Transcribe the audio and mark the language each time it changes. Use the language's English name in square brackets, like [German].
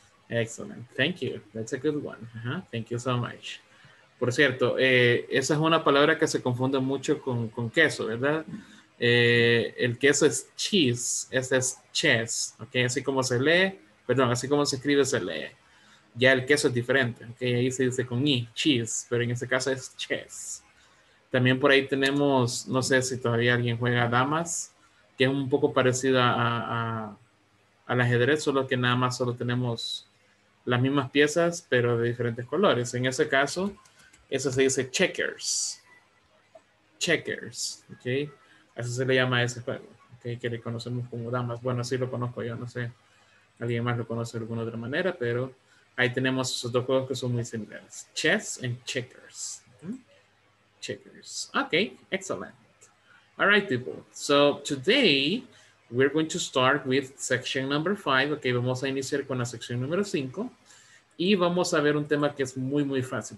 [English] Excellent. Thank you. That's a good one. Thank you so much. [Spanish] Por cierto, esa es una palabra que se confunde mucho con queso, ¿verdad? El queso es cheese, ese es chess, ¿ok? Así como se lee, perdón, así como se escribe, se lee. Ya el queso es diferente, ¿ok? Ahí se dice con i, cheese, pero en este caso es chess. También por ahí tenemos, no sé si todavía alguien juega damas, que es un poco parecido al ajedrez, solo que nada más solo tenemos las mismas piezas, pero de diferentes colores. En ese caso, eso se dice checkers. Checkers, ¿ok? Así se le llama a ese juego, ¿ok? Que le conocemos como damas. Bueno, así lo conozco yo, no sé. Alguien más lo conoce de alguna otra manera, pero ahí tenemos esos dos juegos que son muy similares. [English] Chess and checkers. Checkers. Ok, excellent. All right, people. So, today, we're going to start with section number 5. [Spanish] Ok, vamos a iniciar con la sección número 5. Y vamos a ver un tema que es muy, muy fácil.